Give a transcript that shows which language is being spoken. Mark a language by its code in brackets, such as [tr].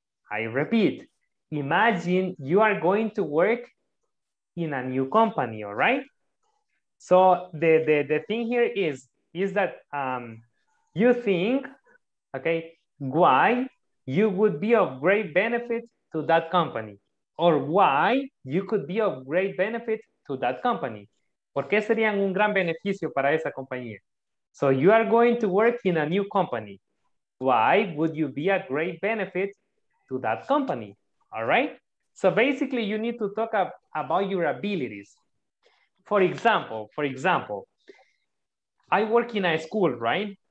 [en] I repeat, imagine you are going to work in a new company, all right? So the thing here is that you think, okay, why you would be of great benefit to that company, or why you could be of great benefit to that company. [es] ¿Por qué serían un gran beneficio para esa compañía? [en] So you are going to work in a new company. Why would you be a great benefit to that company? All right? So basically, you need to talk about your abilities. For example, I work in a school, right?